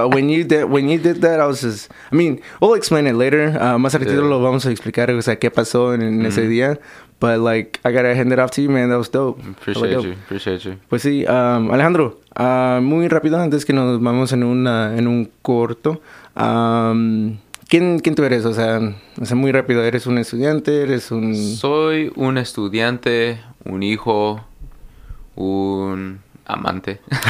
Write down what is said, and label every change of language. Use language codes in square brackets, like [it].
[en] when you did that, we'll explain it later. [es] Más al ratito lo vamos a explicar, o sea, qué pasó en ese día. [en] But, like, I gotta hand it off to you, man. That was dope. Appreciate you. [es] Pues sí, Alejandro, muy rápido, antes que nos vamos en un corto. ¿Quién tú eres? O sea, muy rápido. ¿Eres un estudiante? Soy un estudiante, un hijo, un amante.